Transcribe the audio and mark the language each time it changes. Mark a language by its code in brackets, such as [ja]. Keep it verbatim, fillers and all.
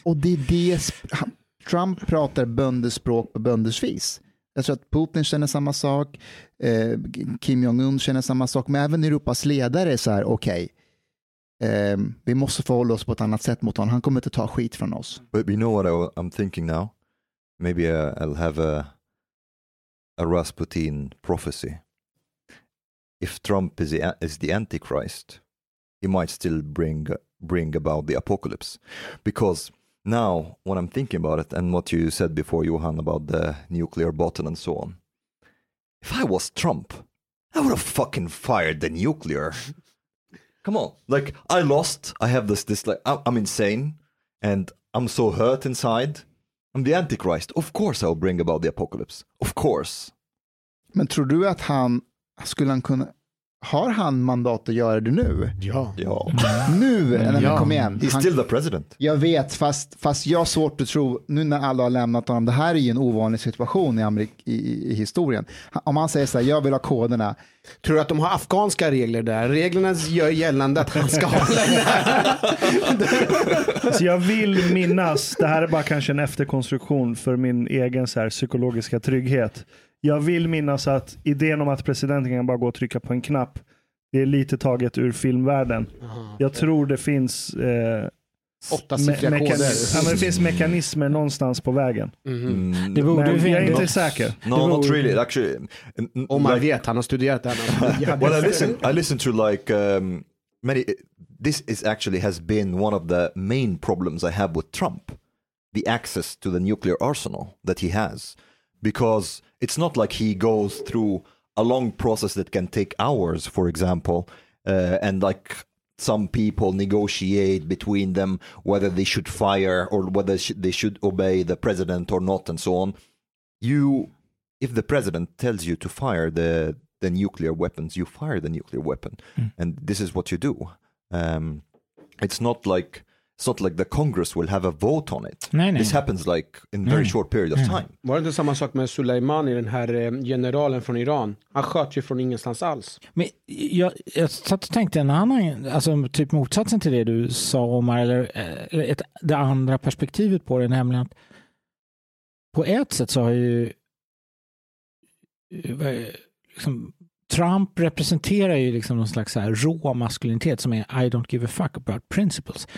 [sv] Och det är det Trump pratar böndespråk på böndesvis. Jag tror att Putin känner samma sak, eh, Kim Jong-un känner samma sak, men även Europas ledare är så här, okej, okay, eh, vi måste förhålla oss på ett annat sätt mot honom. Han kommer inte ta skit från oss. [en] But you know what I'm thinking now? Maybe I'll have a a Rasputin prophecy. If Trump is the, is the Antichrist, he might still bring bring about the apocalypse. Because now, when I'm thinking about it, and what you said before, Johan, about the nuclear button and so on, if I was Trump, I would have fucking fired the nuclear. Come on. Like, I lost. I have this, this like, I'm insane. And I'm so hurt inside. I'm the Antichrist. Of course I'll bring about the apocalypse. Of course. [sv] Men tror du att han, skulle han kunna, har han mandat att göra det nu? Ja. ja. Nu, när han kom igen. [en] He's [sv] han, [en] still the president. [sv] Jag vet, fast, fast jag har svårt att tro, nu när alla har lämnat honom, det här är ju en ovanlig situation i, Amerik- i, i historien. Om han säger så här, jag vill ha koderna. Tror du att de har afghanska regler där? Reglerna gör gällande att han ska hålla där. Så jag vill minnas, det här är bara kanske en efterkonstruktion för min egen så här, psykologiska trygghet. Jag vill minnas att idén om att presidenten kan bara gå och trycka på en knapp, det är lite taget ur filmvärlden. Aha, jag tror det finns eh, åtta siffriga meka- koder. Ja, men det finns mekanismer någonstans på vägen. Mm-hmm. Mm. Det borde, men det, jag är det, inte säker. [en] No, borde, not really. Actually, [sv] om man like, vet, han har studerat det här. [en] Well, I listen, I listen to like um, many. This is actually has been one of the main problems I have with Trump. The access to the nuclear arsenal that he has. Because it's not like he goes through a long process that can take hours, for example, uh, and like some people negotiate between them whether they should fire or whether sh- they should obey the president or not, and so on. You, if the president tells you to fire the, the nuclear weapons, you fire the nuclear weapon, mm. and this is what you do. Um, it's not like. It's not like the Congress will have a vote on it. [sv] Nej, nej. [en] This happens like in a very short period of [sv] nej. [en] time. [sv] Var det inte samma sak med Soleimani, den här generalen från Iran? Han sköt ju från ingenstans alls. Men jag, jag satt och tänkte en annan, alltså typ motsatsen till det du sa om, eller ett, det andra perspektivet på det, nämligen att på ett sätt så har ju liksom, Trump representerar ju liksom någon slags så här rå maskulinitet som är [en] I don't give a fuck about principles.